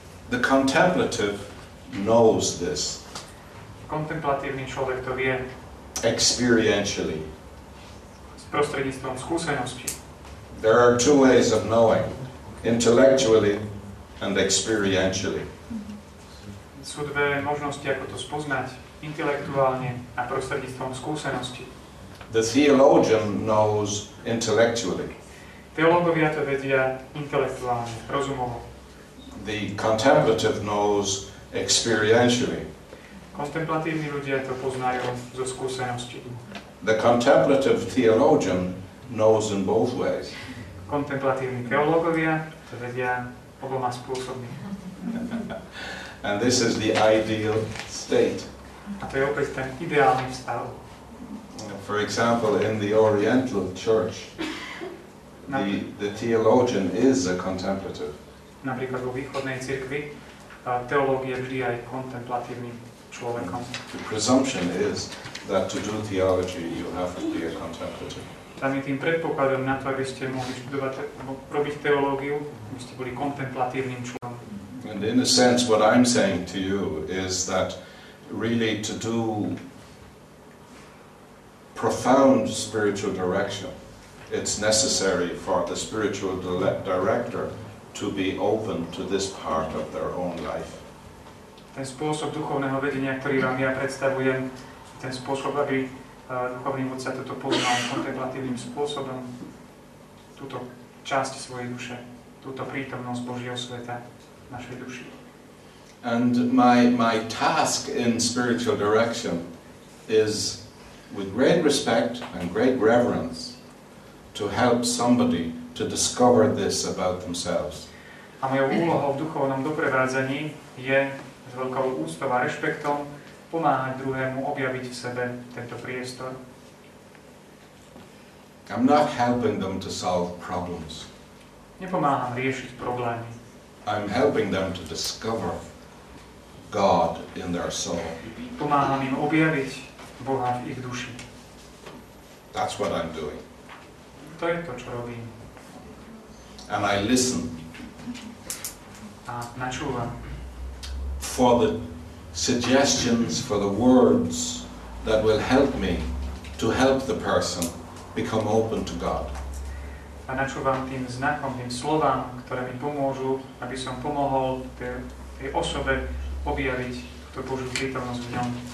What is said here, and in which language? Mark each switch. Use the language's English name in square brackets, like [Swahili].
[English] The contemplative knows this. [Slovak] Kontemplatívny človek to vie. [English] Experientially. [Slovak] Prostredníctvom skúsenosti. [English] There are two ways of knowing, intellectually and experientially. [Slovak] Sú dve možnosti, ako to spoznať, intelektuálne a prostredníctvom skúsenosti. [English] The theologian knows intellectually. [Slovak] Teológovia to vedia intelektuálne, rozumovo. [English] The contemplative knows experientially. [Slovak] Kontemplatívni ľudia to poznajú zo skúsenosti. [English] The contemplative theologian knows in both ways. [Slovak] Kontemplatívni teológovia to vedia oboma spôsobmi. [English] And this is the ideal state. [Slovak] A to je opäť ten ideálny stav. [English] For example, in the Oriental Church, the theologian is a contemplative. [Slovak] Napríklad vo východnej cirkvi, teológ je vždy aj kontemplatívny človekom. [English] The presumption is that to do theology you have to be a contemplative. [Slovak] Tam je tým predpokladom na to, aby ste mohli študovať, robiť teológiu, aby ste boli kontemplatívnym človekom. [English] And in a sense, what I'm saying to you is that really to do profound spiritual direction, it's necessary for the spiritual director to be open to this part of their own life. [Slovak] Ten spôsob duchovného vedenia, ktorý vám ja predstavujem, ten spôsob, aby duchovný vodca toto poznal kontemplatívnym spôsobom, túto časť svojej duše, túto prítomnosť Božieho sveta v našej duši. [English] And my task in spiritual direction is with great respect and great reverence to help somebody to discover this about themselves. [Slovak] A mojou úlohou v duchovnom doprevádzaní je s veľkou úctou a rešpektom pomáhať druhému objaviť v sebe tento priestor. [English] I'm not helping them to solve problems. [Slovak] Nepomáham riešiť problémy. [English] I'm helping them to discover God in their soul. [Slovak] Pomáham im objaviť Boha v ich duši. [English] That's what I'm doing. [Slovak] To je to, čo robím. [English] And I listen. [Slovak] A načúvam. [English] For the suggestions, for the words that will help me to help the person become open to God. [Slovak] A načúvam tým znakom, tým slovám, ktoré mi pomôžu, aby som pomohol tej osobe objaviť tú Božiu prítomnosť v ňom.